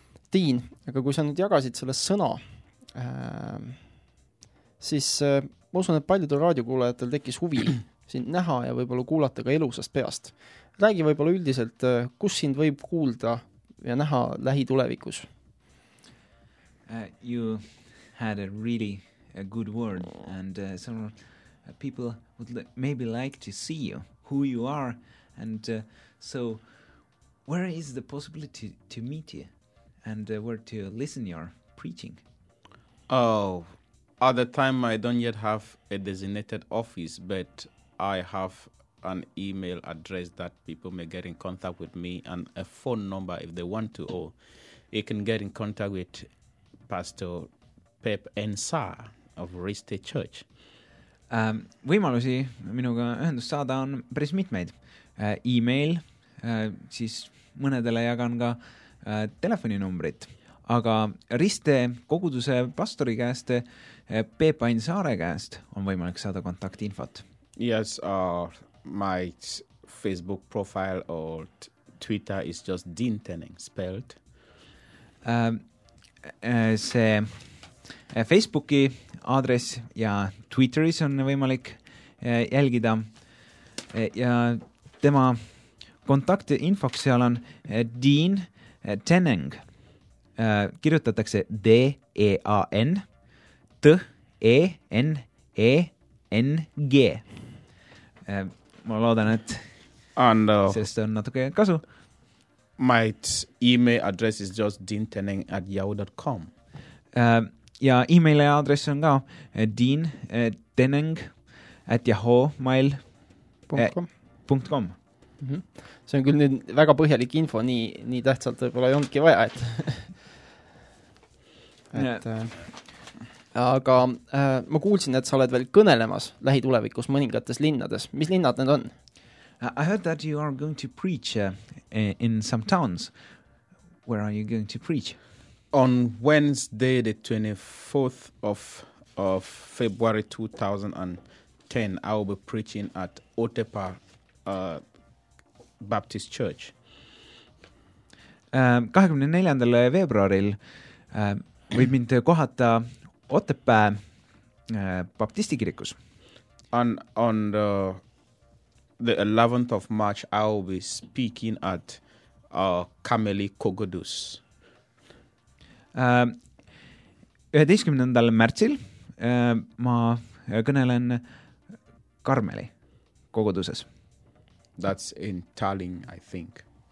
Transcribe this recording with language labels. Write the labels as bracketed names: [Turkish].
[Estonian] Tiin, aga kui sa nüüd jagasid selle sõna, siis ma usun, et paljudel raadiokuulajatel tekis huvi siin näha ja võibolla kuulata ka elusast peast. Räägi võibolla üldiselt, kus sind võib kuulda ja näha lähitulevikus? [English] You had a really a good word and some people would maybe like to see you, who you are and so where is the possibility to meet you and where to listen your preaching? Oh, at the time I don't yet have a designated office, but I have an email address that people may get in contact with me and a phone number if they want to, or you can get in contact with Pastor Pep Ensah of Riste Church. [Estonian] Võimalusi minuga ühendust saada on päris mitmeid. E-mail, siis mõnedele jagan ka telefoninumbrit. Aga Riste koguduse pastori käest, Pep Ensah käest on võimalik saada kontaktinfot. [English] Yes, my Facebook profile or Twitter is just Dean Tenning spelled. [Estonian] See Facebooki aadress ja Twitteris on võimalik jälgida. Ja tema kontakti infoks seal on Dean Tenning. Kirjutatakse D-E-A-N-T-E-N-E-N-G. Ma loodan, et [English] and, [Estonian] sest on natuke kasu. [English] My email address is just deantenning@yahoo.com. [Estonian] Ja e-maili adress on ka deantenning@yahoo.com. See on küll nüüd väga põhjalik info, nii tähtsalt võibolla ei olnudki vaja. Et, aga ma kuulsin, et sa oled veel kõnelemas lähitulevikus mõningates linnades. Mis linnad need on? [English] I heard that you are going to preach in some towns. Where are you going to preach? On Wednesday, the 24th of February 2010, I will be preaching at Otepa Baptist Church. [Estonian] 24. Veebruaril võib mind kohata Otepa Baptisti kirikus. [English] On the 11th of March, I will be speaking at Kameli Kogodus. [Estonian] 11. märtsil ma kõnelen Karmeli koguduses. [English] That's in Tallinn, I think.